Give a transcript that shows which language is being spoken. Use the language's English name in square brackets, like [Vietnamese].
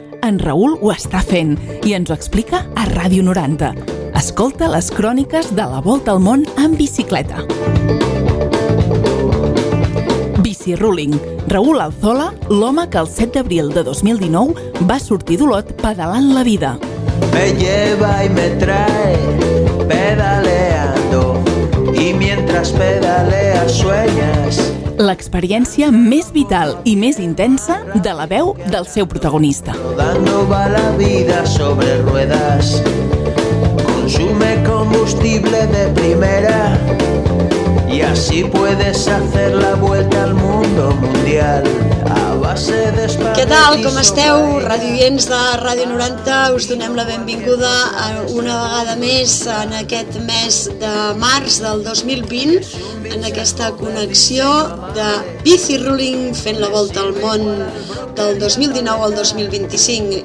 [Catalan] En Raül ho està fent i ens ho explica a Ràdio 90. Escolta les cròniques de la Volta al Món en bicicleta. Bici Ruling. Raül Alzola, l'home que el 7 d'abril de 2019 va sortir d'Olot pedalant la vida. [Spanish] Me lleva y me trae pedaleando y mientras pedalea sueñas. [Catalan] L'experiència més vital i més intensa de la veu del seu protagonista. [Spanish] Rodando va la vida sobre ruedas, consume combustible de primera y así puedes hacer la vuelta al mundo mundial. [Catalan] Què tal, com esteu? Radioients de Ràdio 90, us donem la benvinguda una vegada més en aquest mes de març del 2020, en aquesta connexió de Bici Ruling fent la volta al món del 2019 al 2025.